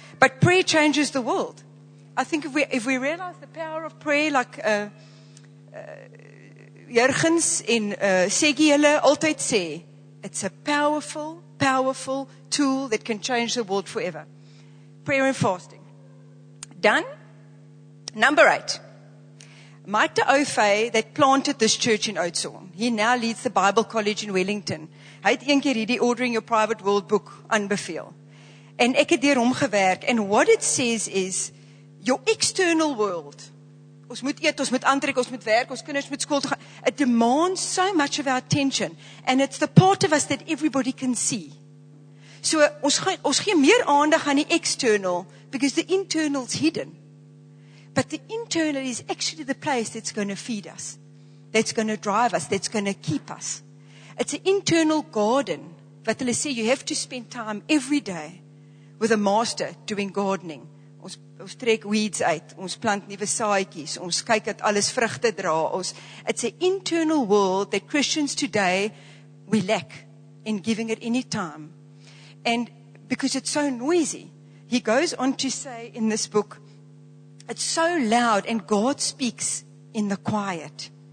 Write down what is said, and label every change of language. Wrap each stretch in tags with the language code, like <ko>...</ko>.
<en>But prayer changes the world. I think if we realize the power of prayer, like Jurgens</en> <af>en Seggie hulle altyd sê,</af> <en>it's a powerful, powerful tool that can change the world forever. Prayer and fasting. Done? Number 8. Mike de Ofay that planted this church in Oudtshoorn. He now leads the Bible College in Wellington.</en> <af>Hy het een keer hierdie Ordering Your Private World book aanbeveel. En ek het deur hom gewerk.</af> <en>And what it says is, your external world.</en> <af>Ons moet eet, ons moet aantrek, ons moet werk, ons kinders moet skool toe gaan.</af> <en>It demands so much of our attention. And it's the part of us that everybody can see.</en> <af>So ons gee meer aandag aan die</af> <en>external, because the internal is hidden. But the internal is actually the place that's going to feed us, that's going to drive us, that's going to keep us. It's an internal garden. But let's say you have to spend time every day with a master doing gardening.</en> <af>Ons trek weeds uit, ons plant nuwe saaitjies, ons kyk dat alles vrugte dra.</af> <en>It's an internal world that Christians today, we lack in giving it any time. And because it's so noisy, he goes on to say in this book, it's so loud and God speaks in the quiet.</en>